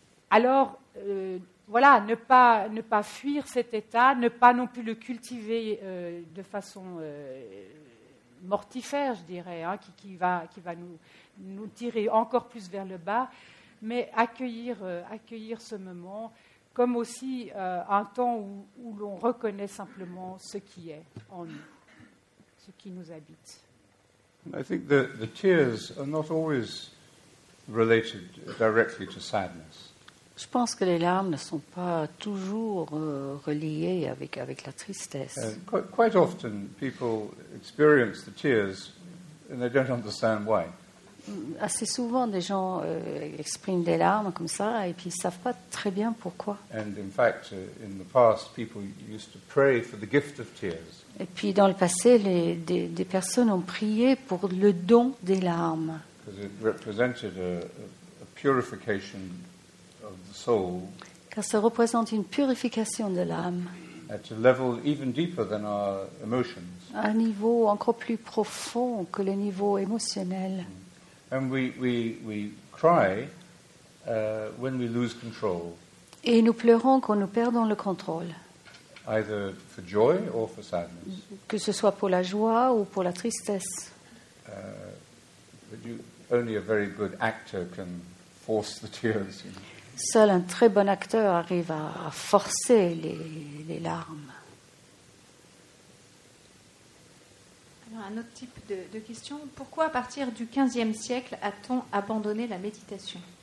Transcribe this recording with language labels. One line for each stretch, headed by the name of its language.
French: Alors, voilà, ne pas fuir cet état, ne pas non plus le cultiver de façon mortifère, je dirais, hein, qui va nous tirer encore plus vers le bas, mais accueillir ce moment comme aussi un temps où l'on reconnaît simplement ce qui est en nous, ce qui nous habite.
English: I think the tears are not always related directly to sadness.
French: Je pense que les larmes ne sont pas toujours reliées avec la tristesse.
English: Quite often, people experience the tears and they don't understand why.
French: Assez souvent, des gens expriment des larmes comme ça et puis ils ne savent pas très bien pourquoi.
English: And in fact, in the past, people used to pray for the gift of tears.
French: Et puis, dans le passé, des personnes ont prié pour le don des larmes.
English: Because it represented a purification.
French: Car ça représente une purification de l'âme.
English: At a level even deeper than our emotions.
French: À un niveau encore plus profond que le niveau émotionnel.
English: And we cry when we lose control.
French: Et nous pleurons quand nous perdons le contrôle.
English: Either for joy or for sadness.
French: Que ce soit pour la joie ou pour la tristesse.
English: But only a very good actor can force the tears.
French: Seul un très bon acteur arrive à forcer les larmes. Alors, un autre type de question. Pourquoi, à partir du 15e siècle, a-t-on abandonné la méditation?